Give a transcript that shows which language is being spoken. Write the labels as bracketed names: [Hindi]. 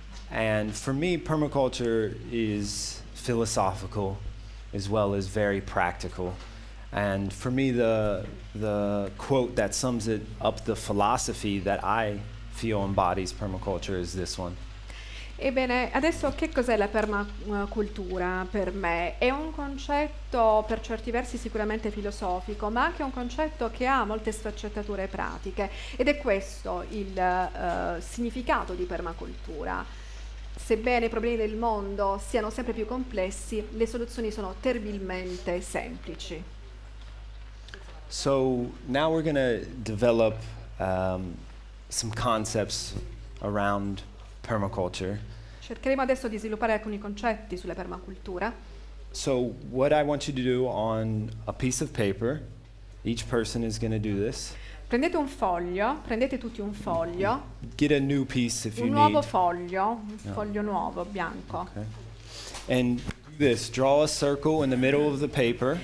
[English] And for me, permaculture is philosophical as well as very practical. And for me, the quote that sums it up, the philosophy that I feel embodies permaculture, is this one. [Italian] Ebbene, adesso che cos'è la permacultura per me? È un concetto per certi versi sicuramente filosofico, ma anche un concetto che ha molte sfaccettature pratiche. Ed è questo il significato di permacultura. Sebbene i problemi del mondo siano sempre più complessi, le soluzioni sono terribilmente semplici. [English] So now we're going to develop some concepts around permaculture. [Italian] Cercheremo adesso di sviluppare alcuni concetti sulla permacultura. [English] So what I want you to do on a piece of paper, each person is going to do this. [Italian] Prendete un foglio, prendete tutti un foglio. [English] Get a new piece if you need. [Italian] Un nuovo [English] need. [Italian] Foglio, un yeah. Foglio nuovo, bianco. [English] Okay. And do this, draw a circle in the middle of the paper.